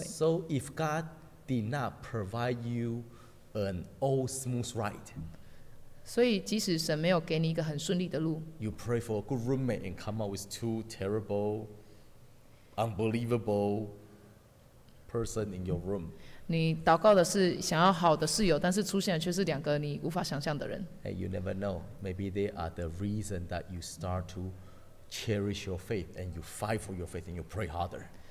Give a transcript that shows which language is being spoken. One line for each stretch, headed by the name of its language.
English: So if God did not provide you an all smooth ride.
Chinese: 所以即使神没有给你一个很顺利的路,
English: you pray for a good roommate and come up with two terrible, unbelievable person in your room.
Chinese: 你祷告的是想要好的室友，但是出现的却是两个你无法想象的人。
English: Hey, you never know. Maybe they are the reason that you start to cherish your faith and you fight for your faith and you pray harder.